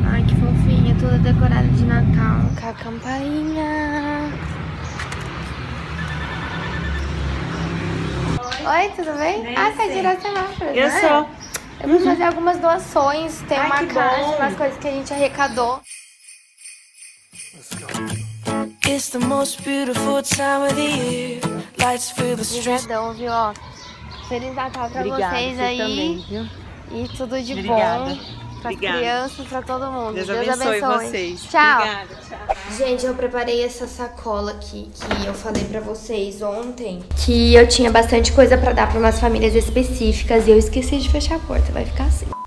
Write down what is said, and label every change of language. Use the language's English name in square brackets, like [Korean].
[Portuguese] Ai, que fofinho, toda decorada de Natal. Com a campainha. Oi, tudo bem? Bem, ah, você é de Natal. Eu sou. Eu vou fazer algumas doações, tem uma caixa, umas coisas que a gente arrecadou. [English] It's the most beautiful time of the year. Lights fill the street. [Portuguese] Obrigadão, viu? Ó, Feliz Natal pra Obrigada, vocês aí. Também, viu? E tudo de Obrigada. Bom. Para as crianças, para todo mundo. Deus abençoe vocês. Tchau. Obrigada, tchau. Gente, eu preparei essa sacola aqui que eu falei para vocês ontem. Que eu tinha bastante coisa para dar para umas famílias específicas e eu esqueci de fechar a porta. Vai ficar assim.